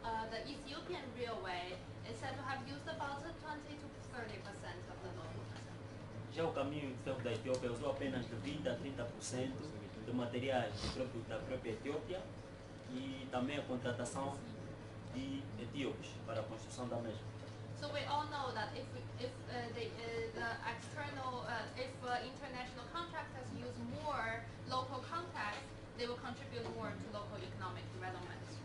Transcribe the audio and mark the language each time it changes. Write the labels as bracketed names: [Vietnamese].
[English] The Ethiopian Railway is said to have used about 20-30% of the local [Portuguese] content. Já o caminho de ferro da Etiópia usou apenas de 20-30%. De materiais da própria Etiópia e também a contratação de etíopes para a construção da mesma. [English] So we all know that if international contractors use more local contacts, they will contribute more to local economic development.